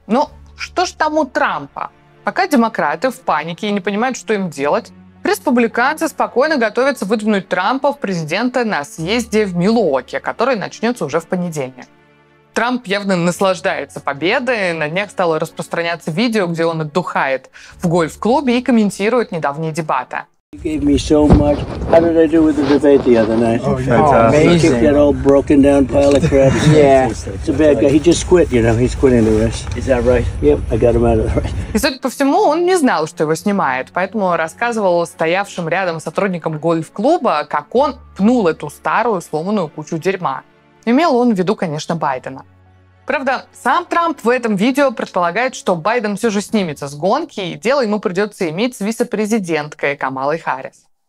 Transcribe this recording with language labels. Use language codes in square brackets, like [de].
[ru] Но что ж там у Трампа? Пока демократы в панике и не понимают, что им делать, республиканцы спокойно готовятся выдвинуть Трампа в президенты на съезде в Милуоке, который начнется уже в понедельник. Трамп явно наслаждается победой, на днях стало распространяться видео, где он отдыхает в гольф-клубе и комментирует недавние дебаты. [en] You gave me so much. How did I do with the debate the other night? Oh, fantastic. Amazing. He kicked that old broken down pile of crap. Yeah. It's a bad guy. He just quit, you know. He's quitting the race. Is that right? Yep, I got him out of the race. [ru] И, судя по всему, он не знал, что его снимает, поэтому рассказывал стоявшим рядом сотрудникам гольф-клуба, как он пнул эту старую сломанную кучу дерьма. Имел он в виду, конечно, Байдена. Правда, сам Трамп в этом видео предполагает, что Байден все же снимется с гонки, и дело ему придется иметь с вице-президенткой Камалой Харрис.